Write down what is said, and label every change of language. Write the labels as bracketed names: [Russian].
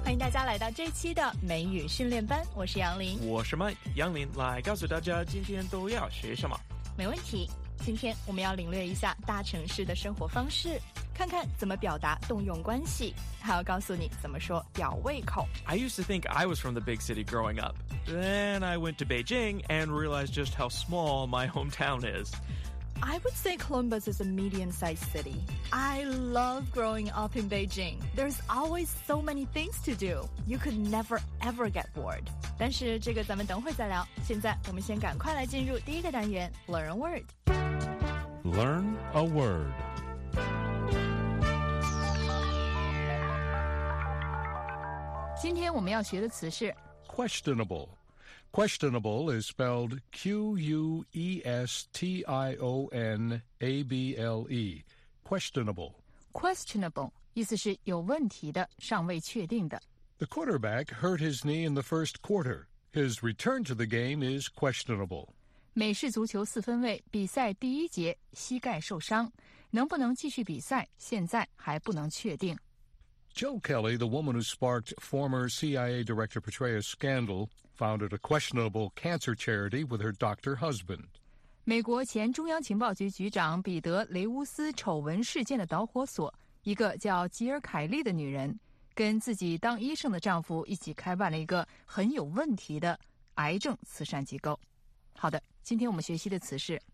[Chinese] 家来到这期的美语训练班，我是杨林，我是麦杨林，来告诉大家今天都要学什么。没问题，今天我们要领略一下大城市的生活方式，看看怎么表达动用关系，还要告诉你怎么说吊胃口。 [English] I used to think I was from the big city growing up. Then I went to Beijing and realized just how small my hometown is. I would say Columbus is a medium-sized city. I love growing up in Beijing. There's always so many things to do. You could never ever get bored. [Chinese] 但是这个咱们等会再聊，现在我们先赶快来进入第一个单元 [English] Learn a Word. Learn a Word. [Chinese] 今天我们要学的词是 [English] questionable. Questionable is spelled Q-U-E-S-T-I-O-N-A-B-L-E. Questionable. [Chinese] Questionable 意思是有问题的，尚未确定的。 [English] The quarterback hurt his knee in the first quarter. His return to the game is questionable. [Chinese] 美式足球四分卫比赛第一节膝盖受伤，能不能继续比赛，现在还不能确定。 [English] Jill Kelly, the woman who sparked former CIA Director Petraeus' scandal, founded a questionable cancer charity with her doctor husband. [Chinese] 美国前中央情报局局长彼得·雷乌斯丑闻事件的导火索，一个叫吉尔·凯利的女人，跟自己当医生的丈夫一起开办了一个很有问题的癌症慈善机构。好的，今天我们学习的词是